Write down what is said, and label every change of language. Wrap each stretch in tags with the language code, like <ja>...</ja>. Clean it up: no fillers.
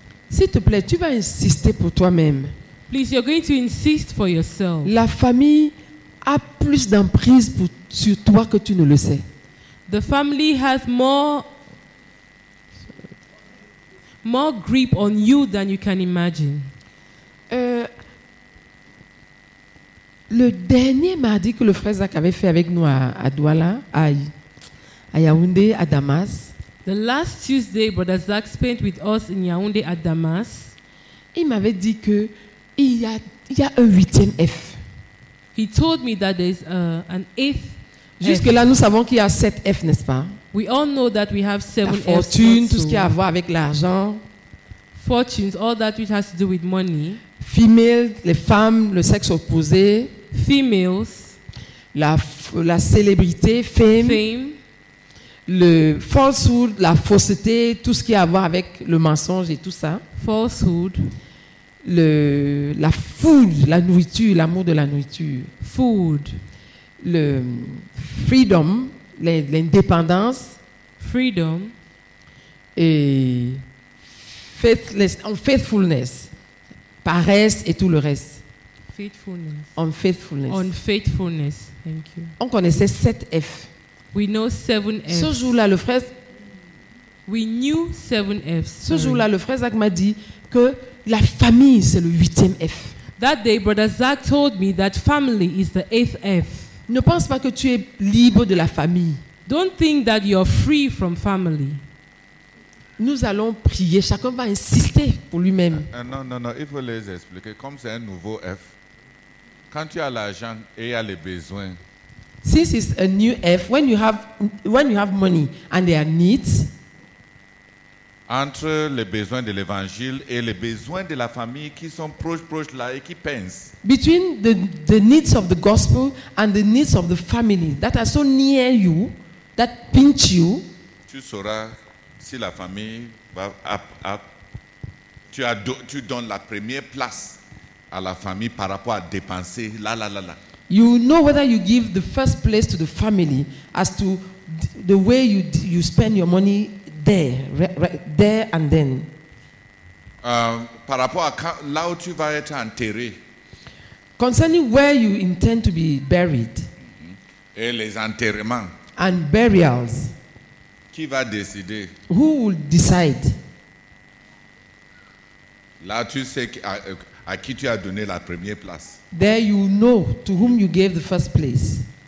<fr>S'il te plaît, tu vas insister pour toi-même.</fr> <en>Please, you're going to insist for yourself.</en> <fr>La famille a plus d'emprise pour, sur toi que tu ne le sais.</fr> <en>The family has more grip on you than you can imagine.</en> <fr>Le dernier mardi que le frère Zach avait fait avec nous à Douala, à Yaoundé, à Damas.</fr> <en>The last Tuesday, Brother Zach spent with us in Yaoundé at Damas.</en> <fr>Il m'avait dit que il y a un huitième F.</fr> <en>He told me that there's an eighth.</en> <fr>Jusque là, nous savons qu'il y a sept F, n'est-ce pas?</fr> <en>We all know that we have seven</en> <fr>F. La fortune, tout ce qui a à voir avec l'argent.</fr> <en>Fortunes, all that which has to do with money.</en> <fr>Females, les femmes, le sexe opposé.</fr> <en>Females.</en> <fr>La célébrité, fame. Le falsehood, la fausseté, tout ce qui a à voir avec le mensonge et tout ça.</fr> <en>Falsehood.</en> <fr>La food, la nourriture, l'amour de la nourriture.</fr> <en>Food.</en> <fr>Le freedom, l'indépendance.</fr> <en>Freedom.</en> <fr>Et faithfulness, paresse et tout le reste.</fr> <en>Faithfulness. Unfaithfulness. Unfaithfulness, thank you.</en> <fr>On connaissait 7 F.</fr> <en>We know 7 F's.</en> <fr>Ce jour-là, le frère.</fr> <en>We knew 7 F's.</en> <fr>Ce jour-là, le frère Zach m'a dit que la famille c'est le huitième F.</fr> <en>That day, Brother Zach told me that family is the eighth F.</en> <fr>Ne pense pas que tu es libre de la famille.</fr> <en>Don't think that you're free from family.</en> <fr>Nous allons prier. Chacun va insister pour lui-même. Non. Il faut les expliquer. Comme c'est un nouveau F, quand tu as l'argent et tu as les besoins.</fr> <en>Since it's a new F, when you have money and there are needs,</en> <fr>entre les besoins de l'évangile et les besoins de la famille qui sont proches là et qui pensent,</fr> <en>between the needs of the gospel and the needs of the family that are so near you, that pinch you,</en> <fr>tu sauras si la famille va tu donnes la première place à la famille par rapport à dépenser là.</fr> <en>You know whether you give the first place to the family as to the way you spend your money there, right there and then.</en> <fr>Par rapport à là où tu vas être enterré.</fr> <en>Concerning where you intend to be buried.</en> <fr>Et les enterrements.</fr> <en>And burials.</en> <fr>Qui va décider?</fr> <en>Who will decide?</en> <fr>Là tu sais à qui tu as donné la première place.</fr> <en>There you know to whom you gave the first place.</en>